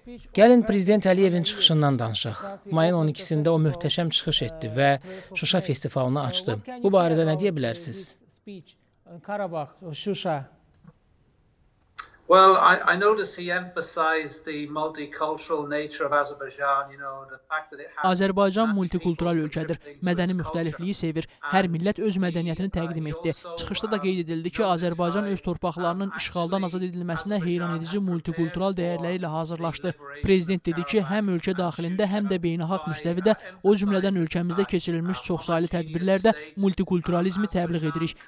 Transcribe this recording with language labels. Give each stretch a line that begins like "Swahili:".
Azerbaijani: Gəlin Prezident Əliyevin çıxışından danışaq. Mayın 12-sində o möhtəşəm çıxış etdi və Şuşa festivalını açdı. Bu barədə nə deyə bilərsiniz? Qarabağ, Şuşa.
English: Well, I noticed he emphasized the multicultural nature of Azerbaijan, you know, the fact that it has
Azerbaijani: Azərbaycan multikultural ölkədir. Mədəni müxtəlifliyi sevir. Hər millət öz mədəniyyətini təqdim etdi. Çıxışda da qeyd edildi ki, Azərbaycan öz torpaqlarının işğaldan azad edilməsinə heyranedici multikultural dəyərləri ilə hazırlaşdı. Prezident dedi ki, həm ölkə daxilində, həm də beynəlxalq müstəvidə, o cümlədən ölkəmizdə keçirilmiş çoxsaylı tədbirlərdə multikulturalizmi təbliğ edirik.